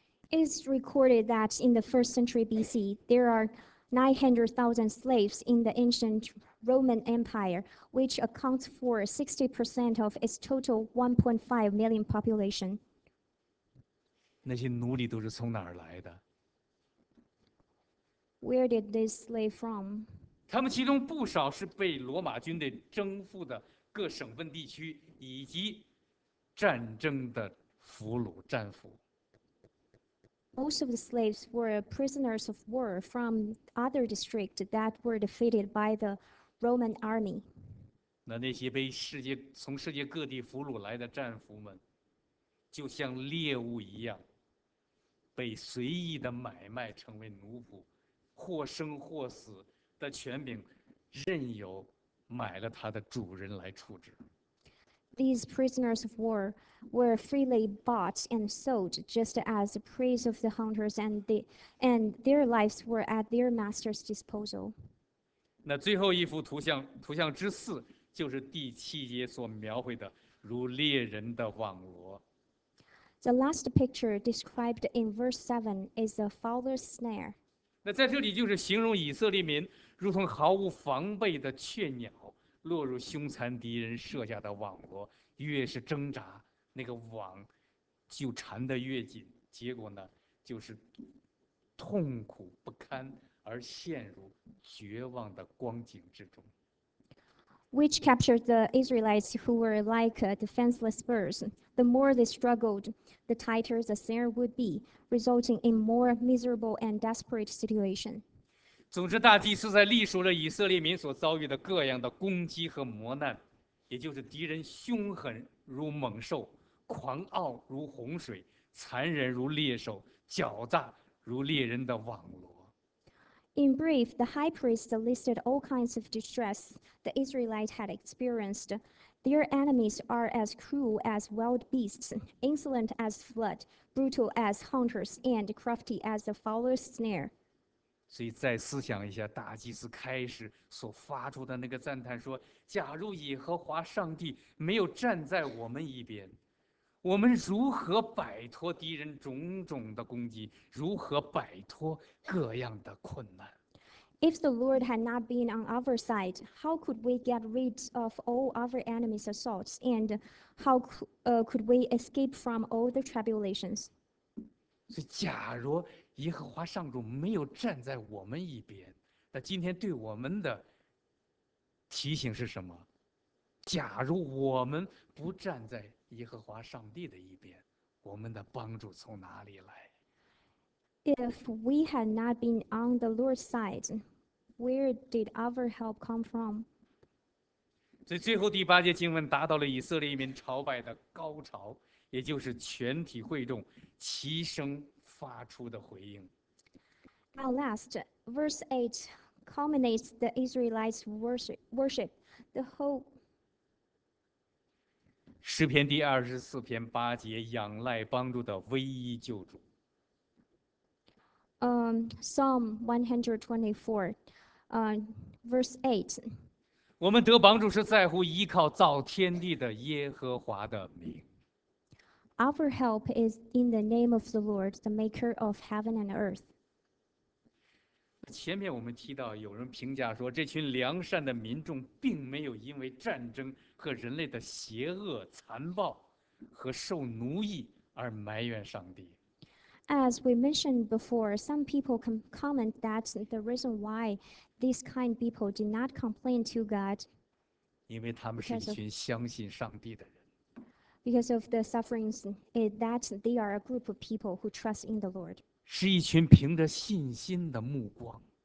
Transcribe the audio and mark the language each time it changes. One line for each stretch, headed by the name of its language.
English: It is recorded that in the first century BC, there are 900,000 slaves in the ancient Roman Empire, which accounts for 60% of its total 1.5 million population.
Chinese: 那些奴隶都是从哪儿来的？
English: Where did this slave from?
Chinese: 他们其中不少是被罗马军队征服的各省份地区，以及战争的俘虏战俘。
English: Most of the slaves were prisoners of war from other districts that were defeated by the Roman army.
Chinese: 那些被从世界各地俘虏来的战俘们，就像猎物一样，被随意的买卖成为奴仆，或生或死的权柄，任由买了他的主人来处置。
English: These prisoners of war were freely bought and sold just as the prey of the hunters and their lives were at their master's disposal.
Chinese: 那最后一幅图像之四就是第七节所描绘的如猎人的网罗。
English: The last picture described in verse 7 is a fowler's snare.
Chinese: 那在这里就是形容以色列民如同毫无防备的雀鸟。落入凶残敌人设下的网罗，越是挣扎，那个网就缠得越紧，结果呢，就是痛苦不堪而陷入绝望的光景之中。
English: Which captured the Israelites who were like defenseless birds. The more they struggled, the tighter the snare would be, resulting in more miserable and desperate situation.
Chinese: 总之，大祭司在历数了以色列民所遭遇的各样的攻击和磨难，也就是敌人凶狠如猛兽，狂傲如洪水，残忍如猎手，狡诈如猎人的网罗。
English: In brief, the high priest listed all kinds of distress the Israelites had experienced. Their enemies are as cruel as wild beasts, insolent as flood, brutal as hunters, and crafty as the fowler's snare.
Chinese: 所以再思想一下，大祭司开始所发出的那个赞叹说，假如耶和华上帝没有站在我们一边，我们如何摆脱敌人种种的攻击，如何摆脱各样的困难。
English: If the Lord had not been on our side, how could we get rid of all our enemies' assaults, and how could we escape from all the tribulations?
Chinese: 所以假如耶和华上主没有站在我们一边，那今天对我们的提醒是什么？假如我们不站在耶和华上帝的一边，我们的帮助从哪里来？
English: If we had not been on the Lord's side, where did our help come from?
Chinese: 所以最后第八节经文达到了以色列民朝拜的高潮，也就是全体会众齐声发出的回应。
English: At last, verse 8 culminates the Israelites' worship. The whole
Chinese: 诗篇第24篇八节，仰赖帮助的唯一救主。
English: Psalm 124, verse 8.
Chinese: 我们得帮助是在乎依靠造天地的耶和华的名。
English: Our help is in the name of the Lord, the maker of heaven and earth.
Chinese: 前面我们提到，有人评价说，这群良善的民众并没有因为战争和人类的邪恶、残暴和受奴役而埋怨上帝。
English: As we mentioned before, some people comment that the reason why these kind people did not complain to God
Chinese: 因为他们是一群相信上帝的人。
English: because of the sufferings that they are a group of people who trust in the Lord.
Chinese: 是一群凭着信心的目光，